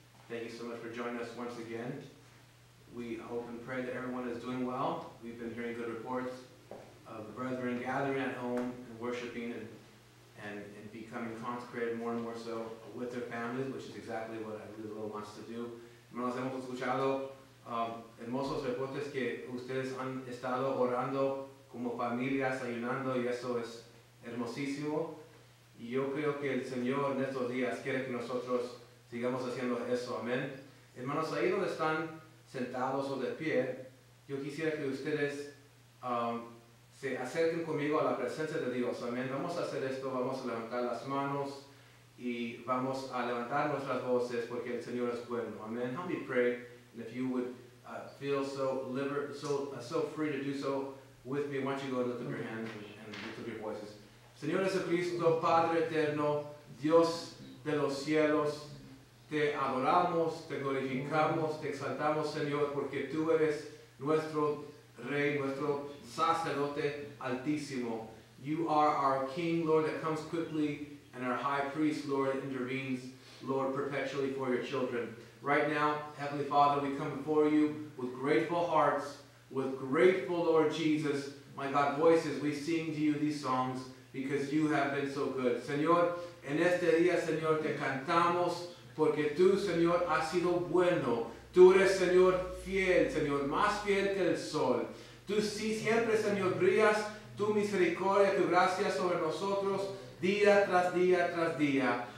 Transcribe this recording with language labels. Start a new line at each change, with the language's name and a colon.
English: Thank you so much for joining us once again. We hope and pray that everyone is doing well. We've been hearing good reports of the brethren gathering at home and worshiping and becoming consecrated more and more so with their families, which is exactly what I believe the Lord wants to do.
Spanish: Hermanos, hemos escuchado hermosos reportes que ustedes han estado orando como familias, ayunando, y eso es hermosísimo. Y yo creo que el Señor en estos días quiere que nosotros sigamos haciendo eso. Amén. Hermanos, ahí donde están sentados o de pie, yo quisiera que ustedes se acerquen conmigo a la presencia de Dios. Amén. Vamos a hacer esto, vamos a levantar las manos y vamos a levantar nuestras voces porque el Señor es bueno.
English: Amén. Help me pray. And if you would feel so free to do so with me, why don't you go and lift up your hands and lift up your voices.
Spanish: Señor Jesucristo, Padre eterno, Dios de los cielos, te adoramos, te glorificamos, te exaltamos, Señor, porque tú eres nuestro Rey, nuestro sacerdote altísimo.
English: You are our King, Lord, that comes quickly, and our High Priest, Lord, intervenes, Lord, perpetually for your children. Right now, Heavenly Father, we come before you with grateful hearts, with grateful, Lord Jesus, my God, voices, we sing to you these songs, because you have been so good.
Spanish: Señor, en este día, Señor, te cantamos, porque tú, Señor, has sido bueno. Tú eres, Señor, fiel, Señor, más fiel que el sol. Tú sí siempre, Señor, brillas tu misericordia, tu gracia sobre nosotros, día tras día tras día.